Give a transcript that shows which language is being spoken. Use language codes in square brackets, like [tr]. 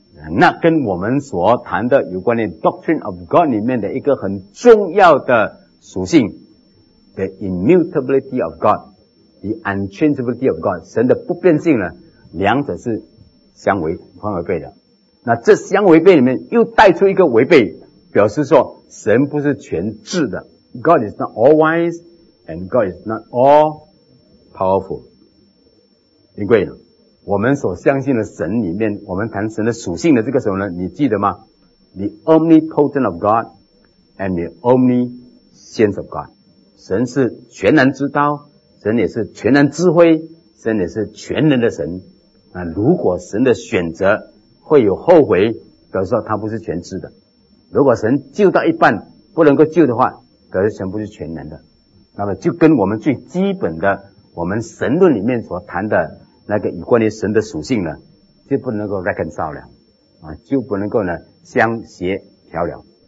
[zh] 那跟我们所谈的有关的 [en] Doctrine of God [zh] 里面的一个很重要的属性 [en] The immutability of God, [zh] The unchangeability of God, 神的不变性呢，两者是相违反违背的。那这相违背里面又带出一个违背，表示说神不是全智的。 [en] God is not all wise and God is not all powerful. [zh] 因为呢，我们所相信的神里面，我们谈神的属性的这个时候呢，你记得吗？ [en] The omnipotent of God and the omniscience of God. [zh] 神是全能之刀，神也是全能智慧，神也是全能的神。那如果神的选择会有后悔，表示说他不是全智的。如果神救到一半不能够救的话，可是神不是全能的，那么就跟我们最基本的我们神论里面所谈的那个有关于神的属性呢，就不能够 reconcile 了、啊、就不能够呢相协调了。